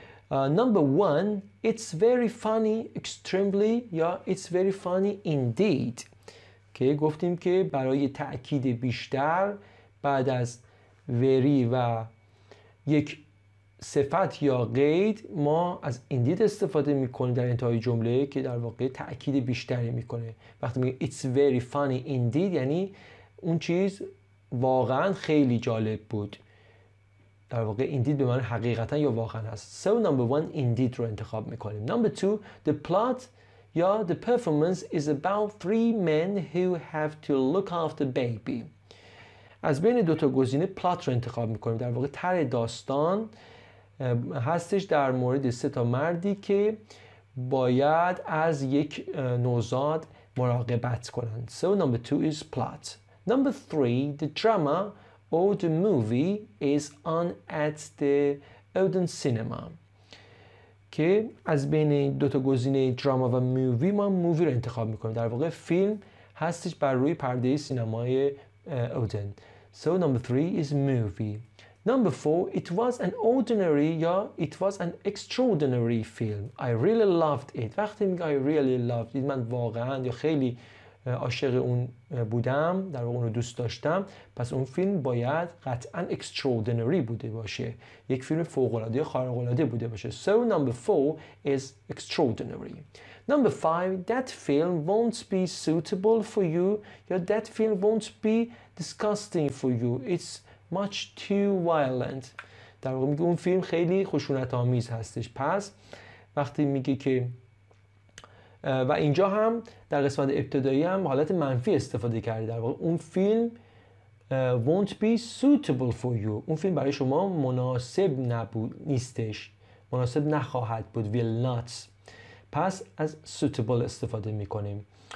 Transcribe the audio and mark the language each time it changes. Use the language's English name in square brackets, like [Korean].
[English] Number 1, it's very funny extremely [Persian] یا [English] it's very funny indeed [Persian] که گفتیم که برای تأکید بیشتر بعد از very و یک صفت یا قید ما از indeed استفاده میکنیم در انتهای جمله، که در واقع تأکید بیشتری میکنه. وقتی میگه [English] it's very funny indeed [Persian] یعنی اون چیز واقعا خیلی جالب بود. در واقع indeed به معنی حقیقتا یا واقعا هست. [English] So number 1 indeed [Persian] رو انتخاب میکنیم. [English] Number 2, the plot [Persian] یا [English] the performance is about 3 men who have to look after baby. [Persian] از بین دو تا گزینه plot رو انتخاب میکنیم. در واقع تر داستان هستش در مورد 3 تا مردی که باید از یک نوزاد مراقبت کنن. [English] So number 2 is plot. Number 3, the drama or the movie is on at the Odeon Cinema. [Persian] که از بین دو تا گزینه دراما و مووی ما مووی رو انتخاب میکنیم. در واقع فیلم هستش بر روی پرده سینمای اودن. [English] So number 3 is movie. Number 4, it was an ordinary [Persian] یا [English] it was an extraordinary film. I really loved it. [Persian] وقتی میگه [English] I really loved it، [Persian] من واقعا یا خیلی عاشق اون بودم، در واقع اون رو دوست داشتم، پس اون فیلم باید قطعا extraordinary بوده باشه، یک فیلم فوق‌العاده یا خارق‌العاده بوده باشه. [English] So number 4 is extraordinary. Number 5, that film won't be suitable for you [Persian] یا [English] that film won't be disgusting for you. It's much too violent. [Persian] در واقع میگه اون فیلم خیلی خشونت‌آمیز هستش، پس وقتی میگه که و اینجا هم در قسمت ابتدایی هم حالت منفی استفاده کرده، در واقع اون فیلم [English] won't be suitable for you، [Persian] اون فیلم برای شما مناسب نبود، نیستش، مناسب نخواهد بود، will not، پس از suitable استفاده میکنیم.